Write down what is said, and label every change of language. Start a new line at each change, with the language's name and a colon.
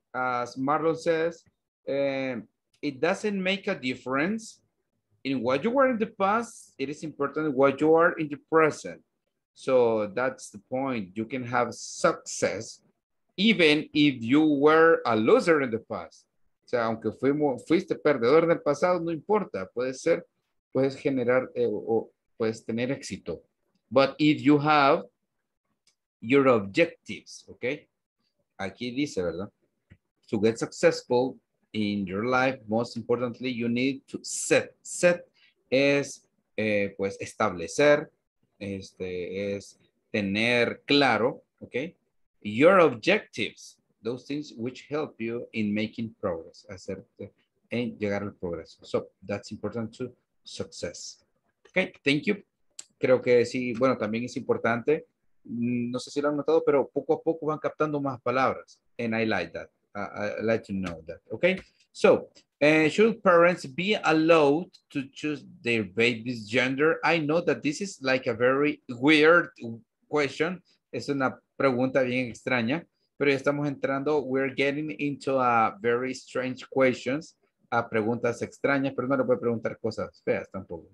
English: As Marlon says, it doesn't make a difference in what you were in the past. It is important what you are in the present. So that's the point. You can have success even if you were a loser in the past.
Spanish: O sea, aunque fuiste perdedor en el pasado, no importa. Puedes ser, puedes generar o puedes tener éxito.
English: But if you have your objectives, okay?
Spanish: Aquí dice, ¿verdad?
English: To get successful in your life, most importantly, you need to set.
Spanish: Set es, pues, establecer, este, es tener claro, okay?
English: Your objectives. Those things which help you in making progress,
Spanish: hacerte en llegar al progreso.
English: So that's important to success. Okay, thank you.
Spanish: Creo que sí, bueno, también es importante. No sé si lo han notado, pero poco a poco van captando más palabras.
English: And I like that. I like to know that. Okay, so should parents be allowed to choose their baby's gender? I know that this is like a very weird question.
Spanish: Es una pregunta bien extraña. Pero ya estamos entrando,
English: we're getting into a very strange questions,
Spanish: a preguntas extrañas, pero no le puede preguntar cosas feas tampoco.